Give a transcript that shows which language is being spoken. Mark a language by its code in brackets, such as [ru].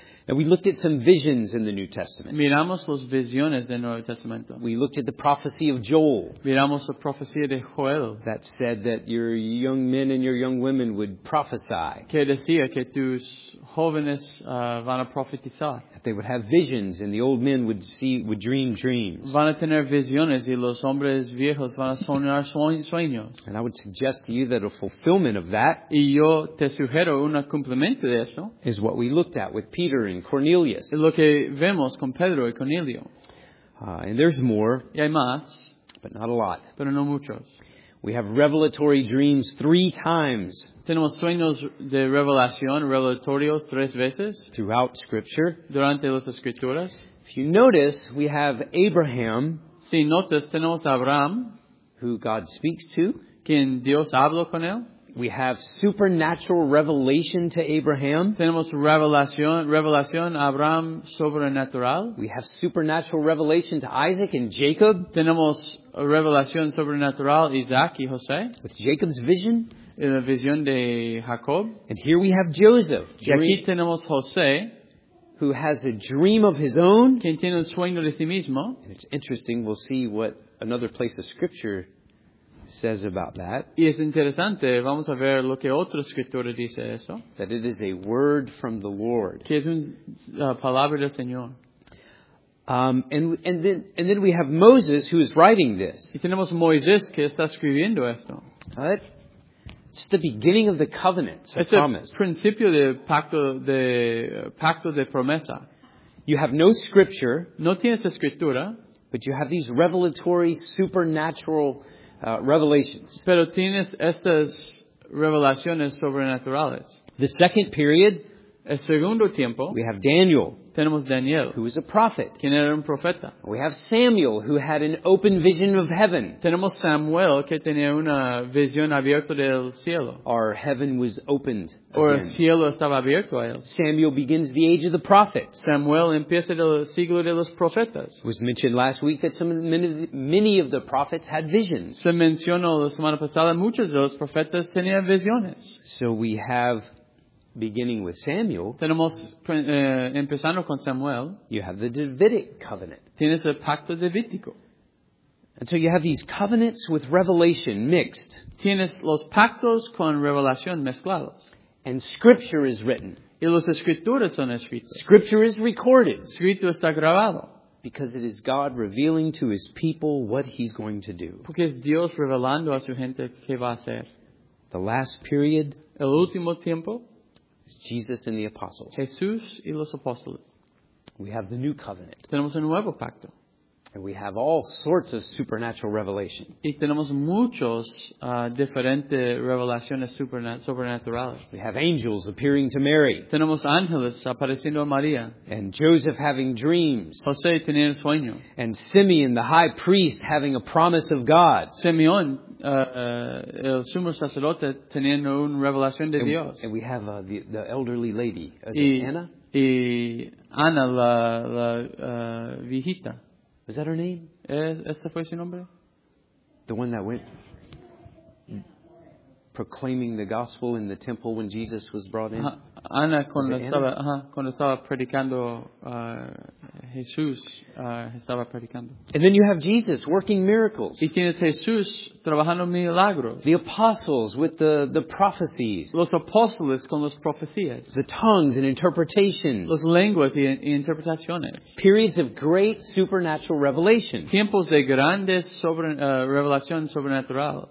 [en] And we looked at some visions in the New Testament. [es] Miramos las visiones del Nuevo Testamento. [en] We looked at the prophecy of Joel. [es] Miramos la profecía de Joel. [en] That said that your young men and your young women would prophesy. [es] Que decía que tus jóvenes van a profetizar. [en] That they would have visions and the old men would dream dreams. [es] Van a tener visiones y los hombres viejos van a soñar sueños. [en] And I would suggest to you that a fulfillment of that. [es] Y yo te sugiero un cumplimiento de eso. [en] Is what we looked at with Peter. And Cornelius. [es] Lo que vemos con Pedro y Cornelio. [en] And there's more. [es] Y hay más, [en] but not a lot. [es] Pero no muchos. [en] We have revelatory dreams three times. [es] Tenemos sueños de revelación, revelatorios tres veces. [en] Throughout Scripture. [es] Durante las escrituras. [en] If you notice, we have Abraham. [es] Si notas, tenemos a Abraham. [en] Who God speaks to. [es] Quien Dios habló con él. [en] We have supernatural revelation to Abraham. [es] Tenemos revelación a Abraham sobrenatural. [en] We have supernatural revelation to Isaac and Jacob. [es] Tenemos revelación sobrenatural Isaac y José. [en] With Jacob's vision. [es] En la visión de Jacob. [en] And here we have Joseph. [es] Y aquí tenemos José. [en] Who has a dream of his own. [es] Quien tiene un sueño de sí mismo. [en] And it's interesting, we'll see what another place of scripture says about that. [es] Y es interesante, vamos a ver lo que otra escritura dice eso. [en] That it is a word from the Lord. [es] Que es una palabra del Señor. [en] And then we have Moses who is writing this. [es] Y tenemos Moisés que está escribiendo esto. [en] Right? It's the beginning of the covenant, so it's promise. [es] Es el principio del pacto de promesa. [en] You have no scripture. [es] No tienes escritura. [en] But you have these revelatory, supernatural revelations. [es] Pero tienes estas revelaciones sobrenaturales. [en] The second period. [es] El segundo tiempo. [en] We have Daniel. [es] Tenemos Daniel. [en] Who is a prophet. [es] Quien era un profeta. [en] We have Samuel, who had an open vision of heaven. [es] Tenemos Samuel, que tenía una visión abierta del cielo. [en] Our heaven was opened. [es] Or el cielo estaba abierto a él. [en] Samuel begins the age of the prophets. [es] Samuel empieza el siglo de los profetas. [en] It was mentioned last week that many of the prophets had visions. [es] Se mencionó la semana pasada, muchos de los profetas tenían visiones. [en] So we have, beginning with Samuel. [es] Tenemos empezando con Samuel. [en] You have the Davidic covenant. [es] Tienes el pacto davídico. [en] And so you have these covenants with revelation mixed. [es] Tienes los pactos con revelación mezclados. [en] And scripture is written. [es] Y las escrituras son escritas. [en] Scripture is recorded. [es] Escrito está grabado. [en] Because it is God revealing to His people what He's going to do. [es] Porque es Dios revelando a su gente qué va a hacer. [en] The last period. [es] El último tiempo. [en] Is Jesus and the apostles. [es] Jesús y los apóstoles. [en] We have the new covenant. [es] Tenemos un nuevo pacto. [en] And we have all sorts of supernatural revelation. [es] Y tenemos muchos diferentes revelaciones sobrenaturales. [en] We have angels appearing to Mary. [es] Tenemos ángeles apareciendo a María. [en] And Joseph having dreams. [es] José teniendo sueño. [en] And Simeon, the high priest, having a promise of God. [es] Simeón, el sumo sacerdote, teniendo una revelación de Dios. [en] And we have the elderly lady, Anna. [es] Y Ana, la viejita. [en] Is that her name? [es] ¿Ese fue su nombre? [en] The one that went proclaiming the gospel in the temple when Jesus was brought in? [es] Ana, cuando estaba predicando Jesús, estaba predicando. [en] And then you have Jesus working miracles. [es] Y tienes Jesús trabajando milagros. [en] The apostles with the prophecies. [es] Los apóstoles con las profecías. [en] The tongues and interpretations. [es] Las lenguas y interpretaciones. [en] Periods of great supernatural revelation. [es] Tiempos de grandes revelación sobrenatural.